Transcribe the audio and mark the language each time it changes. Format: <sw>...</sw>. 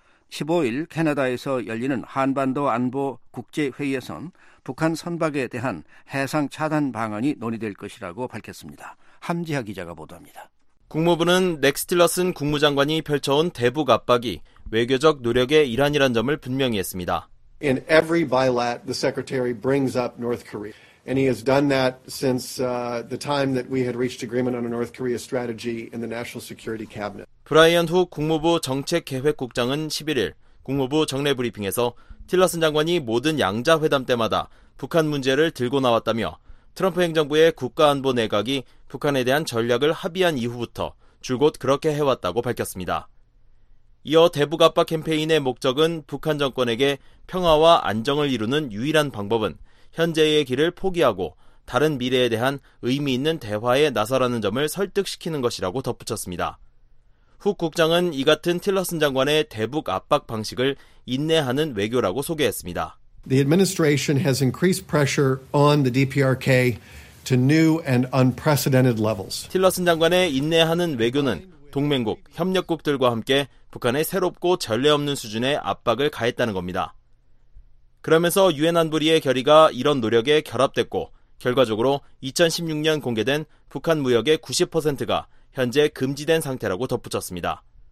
<ko>15일 캐나다에서 열리는 한반도 안보 국제회의에선 북한 선박에 대한 해상 차단 방안이 논의될 것이라고 밝혔습니다. 함지하 기자가 보도합니다. 국무부는 넥스틸러슨 국무장관이 펼쳐온 대북 압박이 외교적 노력의 일환이란 점을 분명히 했습니다.</ko> <en>In every bilat, the secretary brings up North Korea. And he has done that since the time that we had reached agreement on a North Korea strategy in the National Security Cabinet.</en> <ko>브라이언 훅 국무부 정책계획국장은 11일 국무부 정례 브리핑에서 틸러슨 장관이 모든 양자회담 때마다 북한 문제를 들고 나왔다며 트럼프 행정부의 국가안보 내각이 북한에 대한 전략을 합의한 이후부터 줄곧 그렇게 해왔다고 밝혔습니다. 이어 대북 압박 캠페인의 목적은 북한 정권에게 평화와 안정을 이루는 유일한 방법은 현재의 길을 포기하고 다른 미래에 대한 의미 있는 대화에 나서라는 점을 설득시키는 것이라고 덧붙였습니다. 훅 국장은 이 같은 틸러슨 장관의 대북 압박 방식을 인내하는 외교라고 소개했습니다.</ko> <en>The administration has increased pressure on the DPRK to new and unprecedented levels.</en> <ko>틸러슨 장관의 인내하는 외교는 동맹국, 협력국들과 함께 북한의 새롭고 전례 없는 수준의 압박을 가했다는 겁니다. 그러면서 유엔 안보리의 결의가 이런 노력에 결합됐고 결과적으로 2016년 공개된 북한 무역의 90%가 현재 금지된 상태라고 덧붙였습니다.</ko>